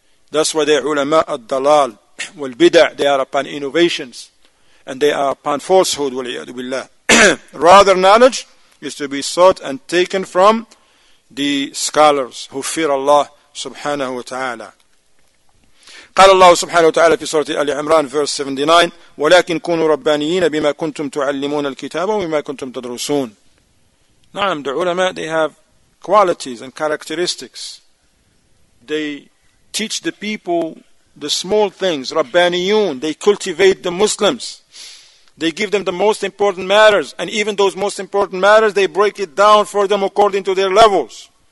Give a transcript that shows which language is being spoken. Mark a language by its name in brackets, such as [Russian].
[English] That's why they're ulama al-dalal, wal-bida', they are upon innovations, and they are upon falsehood, wal-iyadu billah. Rather, knowledge is to be sought and taken from the scholars who fear Allah subhanahu wa ta'ala. [Arabic] قال الله سبحانه وتعالى في سورة آل عمران [English] verse 79 [Arabic] ولكن كونوا ربانيين بما كنتم تعلمون الكتاب وبما كنتم تدرسون. نعم, [English] the علماء, they have qualities and characteristics. They teach the people the small things. ربانيون, they cultivate the Muslims. They give them the most important matters, and even those most important matters, they break it down for them according to their levels.